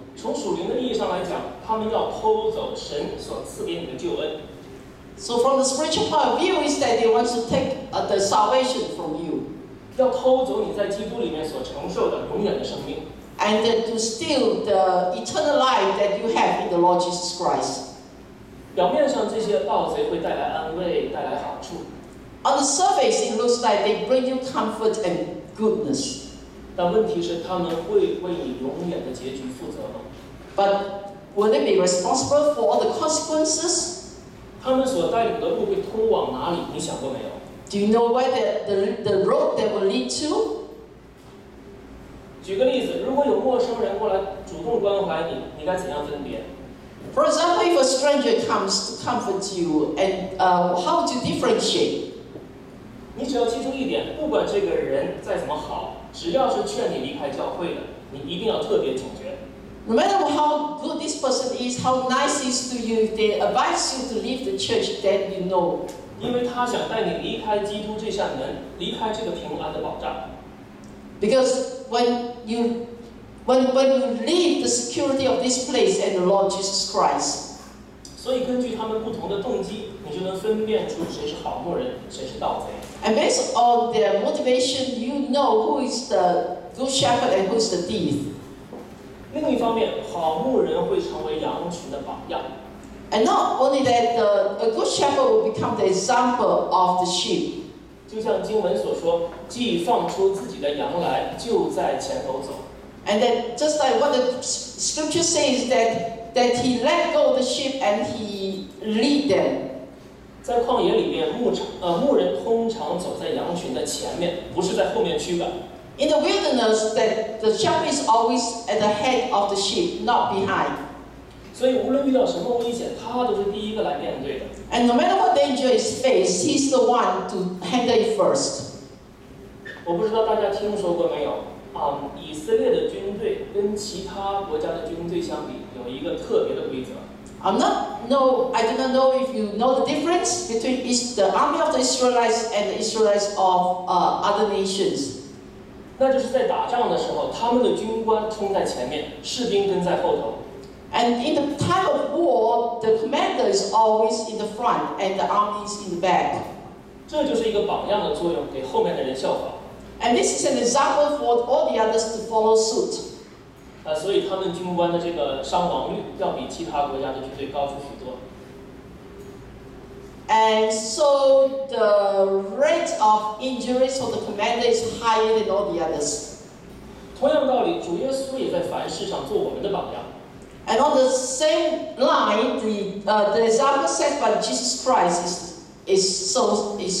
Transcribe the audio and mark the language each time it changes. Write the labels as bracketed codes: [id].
[zh] 从属灵的意义上来讲，他们要偷走神所赐给你的救恩。 [en] So from the spiritual point of view is that they want to take the salvation from you. [zh] 要偷走你在基督里面所承受的永远的生命。 [en] And to steal the eternal life that you have in the Lord Jesus Christ. [zh] 表面上这些盗贼会带来安慰，带来好处。 [en] On the surface, it looks like they bring you comfort and goodness. [zh] 但问题是，他们会为你永远的结局负责吗 [en] ？But will they be responsible for all the consequences? [zh] 他们所带领的路会通往哪里？你想过没有 [en] ？Do you know where the road that will lead to? [zh] 举个例子，如果有陌生人过来主动关怀你，你该怎样分别？ [en] For example, if a stranger comes to comfort you, and how to differentiate? [zh] 你只要记住一点，不管这个人再怎么好，只要是劝你离开教会的，你一定要特别警觉。 [en] No matter how good this person is, how nice is to you, if they advise you to leave the church, then you know. [zh] 因为他想带你离开基督这扇门，离开这个平安的保障。 [en] Because when you leave the security of this place and the Lord Jesus Christ. [zh] 所以根据他们不同的动机，你就能分辨出谁是好牧人，谁是盗贼。 [en] And based on their motivation, you know who is the good shepherd and who is the thief. [zh] 另一方面，好牧人会成为羊群的榜样。 [en] And not only that, a good shepherd will become the example of the sheep. [zh] 就像经文所说，既放出自己的羊来，就在前头走。 [en] And then, just like what the scripture says, that he let go of the sheep and he lead them. [zh] 在旷野里面，牧人通常走在羊群的前面，不是在后面驱赶。 [en] In the wilderness, that the shepherd is always at the head of the sheep, not behind. [zh] 所以无论遇到什么危险，他都是第一个来面对的。 [en] And no matter what danger is faced, he's the one to handle it first. [zh] 我不知道大家听说过没有。以色列的军队跟其他国家的军队相比，有一个特别的规则。 [en] I do not know if you know the difference between the army of the Israelites and the Israelites of other nations. [zh] 那就是在打仗的时候，他们的军官冲在前面，士兵跟在后头。 [en] And in the time of war, the commander is always in the front and the army is in the back. [zh] 这就是一个榜样的作用，给后面的人效仿。 [en] And this is an example for all the others to follow suit. [zh] 所以他们军官的这个伤亡率要比其他国家的军队高出许多。 [en] And so the rate of injuries for the commander is higher than all the others. [zh] 同样道理，主耶稣也在凡事上做我们的榜样。 [en] And on the same line, the example set by Jesus Christ is so.